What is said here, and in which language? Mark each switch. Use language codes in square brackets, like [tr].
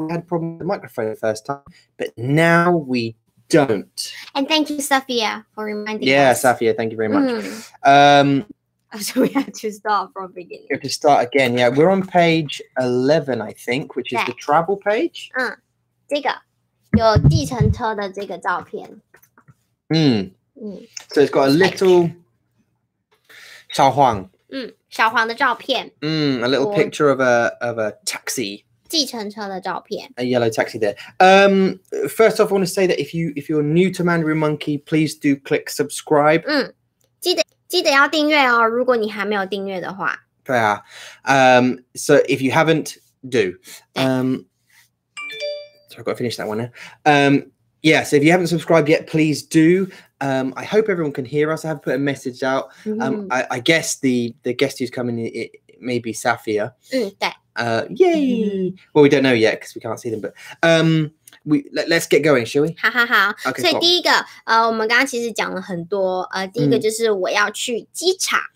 [en] We had a problem with the microphone the first time, but now we don't. And thank you, Safiya, for reminding yeah, us. Yeah, Safiya, thank you very much. So we had to start from the beginning. We have to start again. Yeah, we're on page 11, I think, which is the travel page. [zh] 这个有计程车的这个照片. [en] So it's got a little [zh] 小黄. 小黄的照片. [en] A little picture of a taxi. [zh] 计程车的照片. [en] A yellow taxi there. First off, I want to say that if you're new to Mandarin Monkey, please do click subscribe. [zh] 记得要订阅哦, 如果你还没有订阅的话。对啊, [en] so if you haven't, do. So I've got to finish that one now. So if you haven't subscribed yet, please do. I hope everyone can hear us. I have put a message out. I guess the guest who's coming, it may be Safiya. Yay! Well, we don't know yet because we can't see them, but... Let's get going, shall we? [zh] 好好好 [en] okay, [zh] 所以第一个 我们刚刚其实讲了很多 第一个就是我要去机场